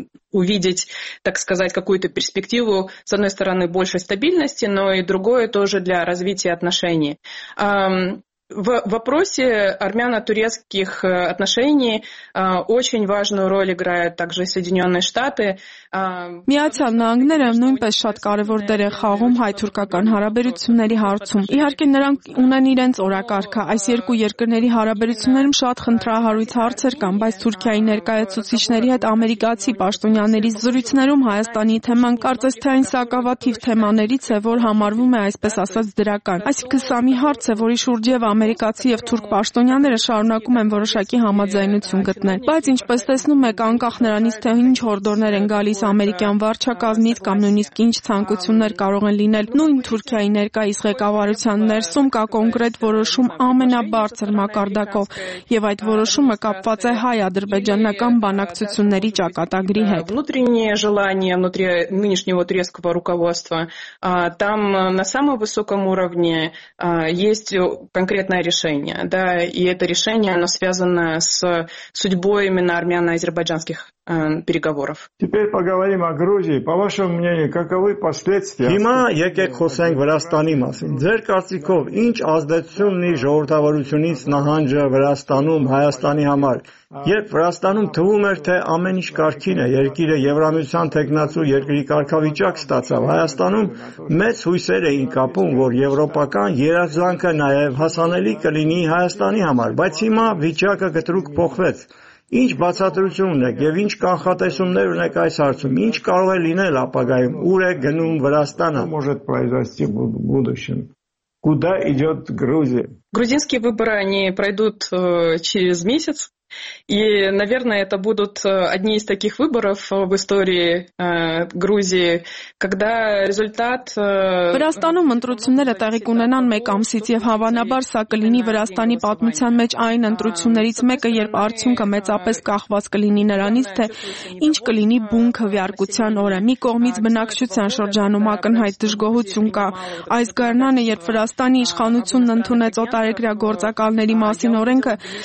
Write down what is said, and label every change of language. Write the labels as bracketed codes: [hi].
[ru] Увидеть, так сказать, какую-то перспективу, с одной стороны, большей стабильности, но и другое тоже для развития отношений. В вопросе армяно-турецких отношений очень важную роль играют также Соединенные Штаты. [hy] Միացյալ Նահանգները նույնպես շատ կարևոր դեր է խաղում հայ-թուրքական հարաբերությունների հարցում։ Իհարկե նրանք ունեն իրենց օրակարգը, այս երկու երկրների հարաբերություններում շատ խնդրահարույց հարցեր կան, բայց Թուրքիայի ներկայացուցիչների հետ ամերիկացի պաշտոնյաների զրույցներում Հայաստանի թեման կարծես թե այն սակավաթիվ թեմաներից է, որ համարվում է այսպես ասած դրական։ Այսինքն սա մի հարց է, որի շուրջ եւ ամերիկացի եւ թուրք պաշտոնյաները շարունակում են որոշակի համաձայնություն գտնել։ Բայց ինչպես տեսնում եք, անկախ նրանից, թե ինչ հորդորներ են գալիս ամերիկյան վարչակազմից կամ նույնիսկ ինչ ցանկություններ կարող են լինել նույն Թուրքիայի ներկայիս ղեկավարության ներսում, կա կոնկրետ որոշում ամենաբարձր մակարդակով, եւ այդ որոշումը կապված է հայ-ադրբեջանական բանակցությունների ճակատագրի հետ։ [ru] Внутреннее желание внутри нынешнего турецкого руководства, там на самом высоком уровне есть конкретное решение, да, и это решение оно связано с судьбой именно армяно-азербайджанских переговоров. Теперь поговорим о Грузии. По вашему мнению, каковы последствия? [hy] Հիմա եկեք խոսենք Վրաստանի մասին. Ձեր կարծիքով ինչ ազդեցություն ունի ժողովրդավարությունից նահանջը Վրաստանում Հայաստանի համար? Երբ Վրաստանում թվում էր, թե ամեն ինչ կարգին է, երկիրը Եվրամիության թեկնածու երկրի կարգավիճակ ստացավ, Հայաստանում մեծ հույսեր էին կապում, որ եվրոպական երազանքը նաև հասանելի կլինի Հայաստանի համար, բայց հիմա վիճակը կտրուկ փոխվեց։ Ինչ բացատրություն ունեք եւ ինչ կանխատեսումներ ունեք այս հարցում, ինչ կարող է լինել ապագայում, ուր է գնում Վրաստանը։ [ru] Может произойти в будущем. Куда идёт Грузия? Грузинские выборы они пройдут через месяц. И, наверное, это будут одни из таких выборов в истории Грузии, когда результат... [hy] Վրաստանում ընտրությունները տեղի կունենան մեկ ամսից, և հավանաբար սա կլինի Վրաստանի պատմության մեջ այն ընտրություններից մեկը, երբ արդյունքը մեծապես կախված կլինի նրանից, թե ինչ կլինի բուն քվեարկության օրը։ Մի կողմից բնակչության շրջանում ակնհայտ դժգոհություն կա, այս գարնանը, երբ Վրաստանի իշխանությունն ընդունեց օտարերկրյա գործակալների մասին օրենքը,